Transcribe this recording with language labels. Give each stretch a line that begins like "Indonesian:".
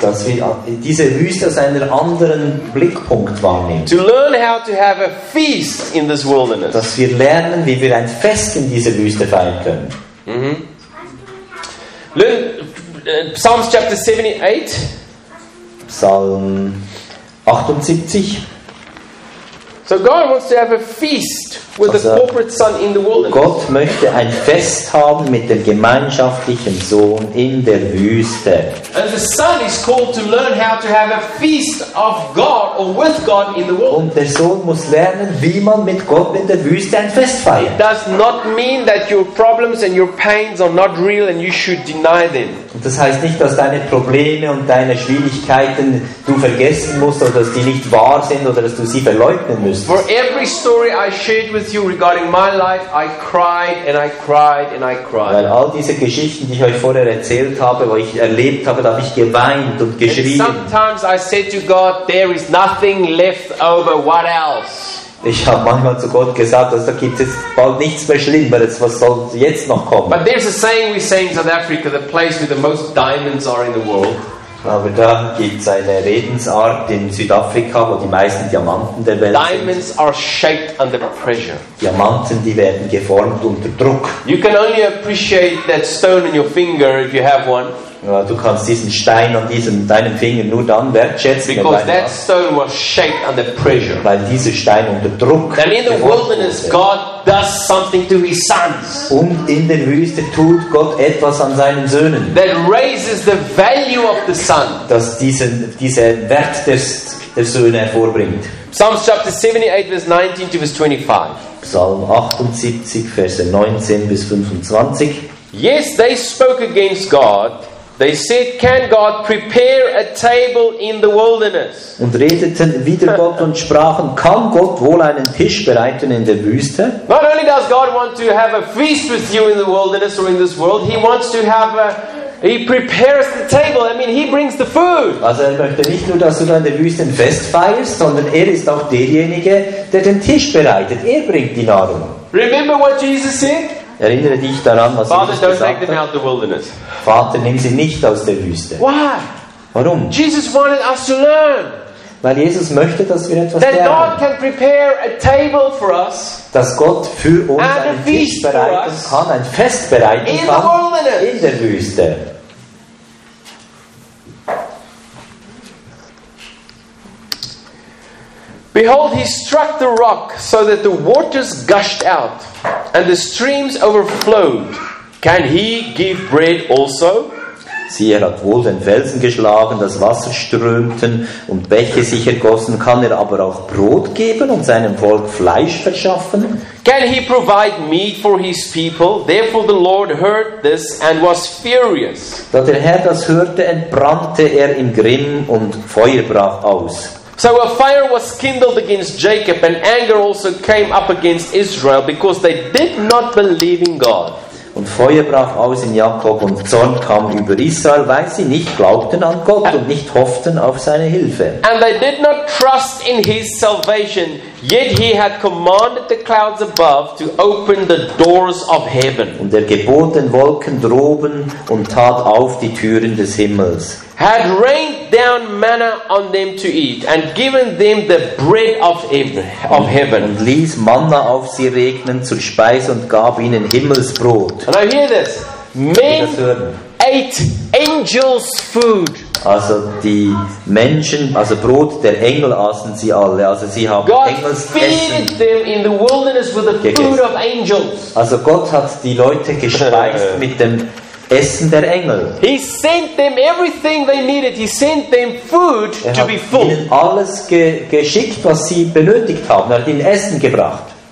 German: Dass wir diese Wüste aus einem anderen Blickpunkt wahrnehmen.
English: To learn how to have a feast in this wilderness.
German: Dass wir lernen, wie wir ein Fest in dieser Wüste feiern können. Mm-hmm.
English: Psalms chapter 78.
German: Psalm 78.
English: So God wants to have a feast with the corporate son in the wilderness.
German: Gott möchte ein Fest haben mit dem gemeinschaftlichen Sohn in der Wüste.
English: And the son is called to learn how to have a feast of God or with God in the wilderness.
German: Und der Sohn muss lernen, wie man mit Gott in der Wüste ein Fest feiert.
English: It does not mean that your problems and your pains are not real and you should deny them.
German: Und das heißt nicht, dass deine Probleme und deine Schwierigkeiten du vergessen musst oder dass die nicht wahr sind oder dass du sie verleugnen musst.
English: For every story I shared with you regarding my life, I cried and I cried and I cried.
German: Weil all diese Geschichten, die ich euch vorher erzählt habe, wo ich erlebt habe, da habe ich geweint und geschrien.
English: Sometimes I said to God, there is nothing left over, what else?
German: Ich habe manchmal zu Gott gesagt, dass da gibt es bald nichts mehr Schlimmeres, was soll jetzt noch kommen?
English: But there's a saying we say in South Africa, the place where the most diamonds are in the world.
German: Aber da gibt es eine Redensart in Südafrika, wo die meisten Diamanten der Welt
English: Diamonds
German: sind.
English: Are shaped under pressure.
German: Diamanten, die werden geformt unter Druck.
English: You can only appreciate that stone in your finger if you have one.
German: Ja, du kannst diesen Stein an deinem Finger nur dann wertschätzen,
English: because that stone was shaped under pressure.
German: Weil dieser Stein unter Druck geformt wurde.
English: And in the wilderness, God does something to his sons.
German: Und in der Wüste tut Gott etwas an seinen Söhnen.
English: That raises the value of the son.
German: Dass diese Wert der Söhne hervorbringt.
English: Psalms chapter 78, verse 19 to verse 25.
German: Psalm 78, Verse 19 bis 25.
English: Yes, they spoke against God. They said, "Can God prepare a table in the wilderness?"
German: Und redeten wieder Gott und sprachen, kann Gott wohl einen Tisch bereiten in der Wüste?
English: Not only does God want to have a feast with you in the wilderness or in this world, He wants to have He prepares the table. I mean, He brings the food.
German: Also er möchte nicht nur, dass du in der Wüste ein Fest feierst, sondern er ist auch derjenige, der den Tisch bereitet. Er bringt die Nahrung.
English: Remember what Jesus said.
German: Erinnere dich daran, was
English: Father,
German: Jesus gesagt hat.
English: Don't take them out the
German: Vater, nimm sie nicht aus der Wüste.
English: Why?
German: Warum?
English: Jesus wanted us to learn.
German: Weil Jesus möchte, dass wir etwas
English: that
German: lernen.
English: God can prepare a table for us,
German: dass Gott für uns einen Tisch bereiten kann, ein Fest bereiten
English: in
German: kann
English: the wilderness.
German: In der Wüste.
English: Behold, he struck the rock, so that the waters gushed out, and the streams overflowed. Can he give bread also?
German: Siehe, er hat wohl den Felsen geschlagen, das Wasser strömten und Bäche sich ergossen. Kann er aber auch Brot geben und seinem Volk Fleisch verschaffen?
English: Can he provide meat for his people? Therefore the Lord heard this and was furious.
German: Da der Herr das hörte, entbrannte er im Grimm und Feuer brach aus.
English: So a fire was kindled against Jacob, and anger also came up against Israel, because they did not believe in God.
German: Und Feuer brach aus in Jakob, und Zorn kam über Israel, weil sie nicht glaubten an Gott und nicht hofften auf seine Hilfe.
English: And they did not trust in his salvation, yet he had commanded the clouds above to open the doors of heaven.
German: Und er gebot den Wolken droben und tat auf die Türen des Himmels.
English: Had rained down manna on them to eat and given them the bread of heaven.
German: Und ließ Manna auf sie regnen zur Speise und gab ihnen Himmelsbrot.
English: And I hear this. Men ate angels' food.
German: Also die Menschen, also Brot der Engel aßen sie alle. Also sie haben Engelsessen gegessen. Also Gott hat die Leute gespeist mit dem Essen der Engel. He sent them everything they needed. He sent them food to be full. Er hat ihnen alles geschickt, was sie benötigt haben. Er hat ihnen Essen gebracht.